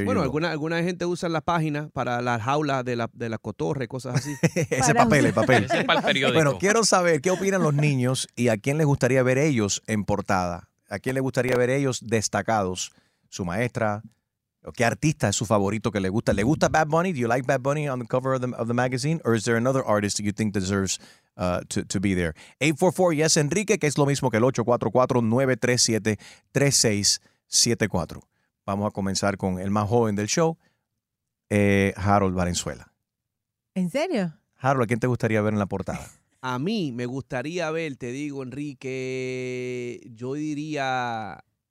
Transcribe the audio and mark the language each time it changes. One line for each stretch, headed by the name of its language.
Spanish: Bueno, alguna gente usa las páginas para las jaulas de la cotorre, cosas así. Ese papel, el papel. Ese es para el periódico. Bueno, quiero saber qué opinan los niños y a quién les gustaría ver ellos en portada. A quién les gustaría ver ellos destacados. Su maestra. ¿Qué artista es su favorito que le gusta? ¿Le gusta Bad Bunny?
English: Do you like Bad Bunny on the cover of the magazine? Or is there another artist that you think deserves to be there?
Spanish: 844-YES-ENRIQUE, que es lo mismo que el 844-937-3674. Vamos a comenzar con el más joven del show, Harold Valenzuela. ¿En serio? Harold, ¿a quién te gustaría ver en la portada? A mí me gustaría ver, te digo, Enrique, yo diría...